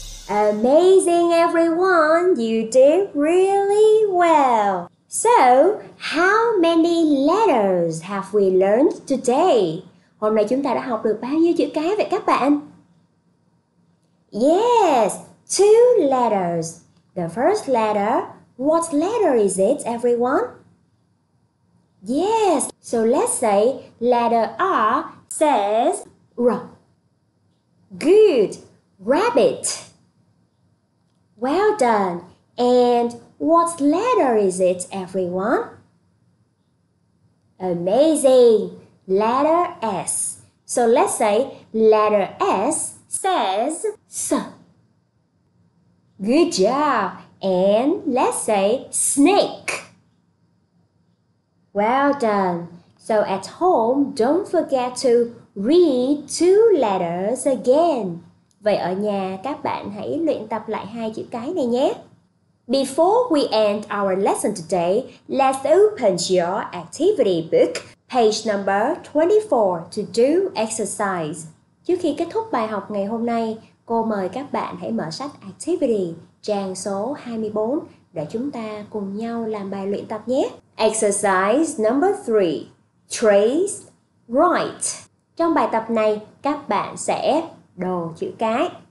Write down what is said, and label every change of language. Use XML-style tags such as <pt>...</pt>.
<en>Amazing, everyone! You did really well! So, how many letters have we learned today?</en> <vi>Hôm nay chúng ta đã học được bao nhiêu chữ cái vậy các bạn?</vi> <en>Yes, two letters. The first letter, what letter is it, everyone? Yes, so let's say letter R says R. Good, rabbit. Well done. And what letter is it, everyone? Amazing. Letter S. So let's say letter S says S. Good job. And let's say snake. Well done. So at home, don't forget to read two letters again.</en> <vi>Vậy ở nhà các bạn hãy luyện tập lại hai chữ cái này nhé.</vi> <en>Before we end our lesson today, let's open your activity book, page number 24, to do exercise.</en> <vi>Trước khi kết thúc bài học ngày hôm nay, cô mời các bạn hãy mở sách activity, trang số 24, để chúng ta cùng nhau làm bài luyện tập nhé.</vi> <en>Exercise number 3. Trace, write.</en> <vi>Trong bài tập này, các bạn sẽ đồ chữ cái.</vi>